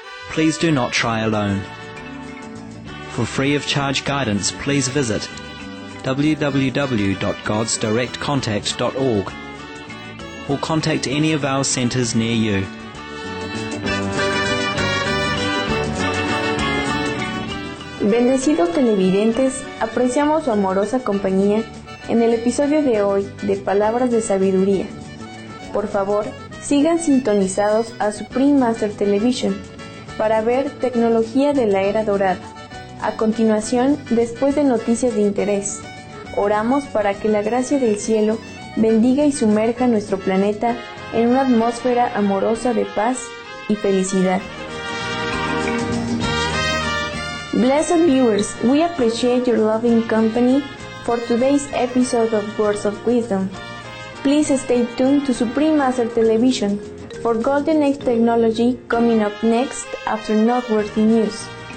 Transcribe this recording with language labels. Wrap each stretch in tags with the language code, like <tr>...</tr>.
<en>Please do not try alone. For free of charge guidance, please visit www.godsdirectcontact.org or contact any of our centers near you.</en> <es>Bendecidos televidentes, apreciamos su amorosa compañía en el episodio de hoy de Palabras de Sabiduría. Por favor, sigan sintonizados a Supreme Master Television para ver Tecnología de la Era Dorada. A continuación, después de Noticias de Interés, oramos para que la gracia del cielo bendiga y sumerja nuestro planeta en una atmósfera amorosa de paz y felicidad.</es> <en>Blessed viewers, we appreciate your loving company for today's episode of Words of Wisdom. Please stay tuned to Supreme Master Television for Golden Age Technology coming up next after Noteworthy News.</en>